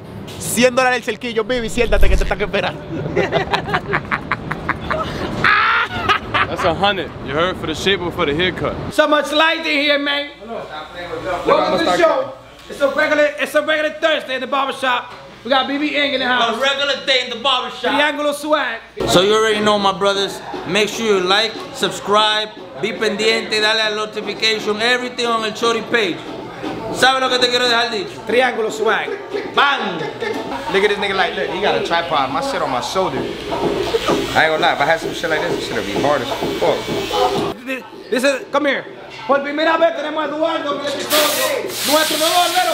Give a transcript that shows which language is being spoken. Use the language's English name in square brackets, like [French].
[Spanish] $100 el cerquillo, baby, siéntate que te están esperando. [English] That's 100. You heard, for the shape or for the haircut? So much light in here, man. Hello. Welcome to the show. It's a regular Thursday in the barbershop. We got BB Ing in the house. A regular day in the barbershop. Triangle Swag. So you already know, my brothers. Make sure you like, subscribe, [Spanish] be pendiente, dale a [English] notification, everything on the Shorty page. [Spanish] ¿Sabes lo que te quiero dejar dicho? Triángulo Swag. Bam. [English] Look at this nigga, like, look, he got a tripod. My shit on my shoulder. I ain't gonna lie, if I had some shit like this, this shit would be hard as fuck. This is, come here. [Spanish] Por primera vez tenemos a Eduardo, nuestro nuevo barbero.